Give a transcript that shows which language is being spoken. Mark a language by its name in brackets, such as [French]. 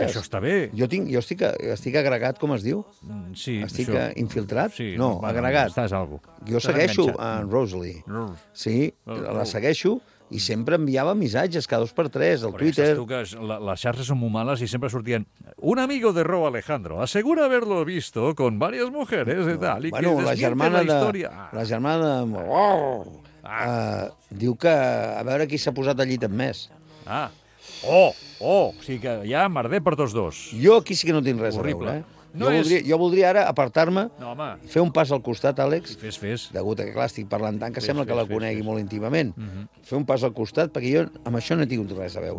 [Catalan] Que això està bé. Jo estic agregat, com es diu? Sí. Estic això. Infiltrat? Sí. No, va, agregat. Estàs algo. Jo estàs segueixo enganxat. En Rosalie. Sí, la segueixo i sempre enviava missatges, cada dos per tres, al Twitter. Però saps tu que les xarxes són molt males i sempre sortien... [Spanish] Un amigo de Rou Alejandro asegura haberlo visto con varias mujeres y tal. [Catalan] I bueno, la germana de... La germana de... diu que a veure qui s'ha posat al llit amb més. Ah. Oh, o sigui que ja merder per tots dos. Jo aquí sí que no tinc res horrible. A veure, No jo, és... voldria ara apartar-me, fer un pas al costat, Àlex. Sí, fes. Degut a que, clar, estic parlant tant que sembla que la conegui molt íntimament. Fer un pas al costat, perquè jo amb això no he tingut res a veure.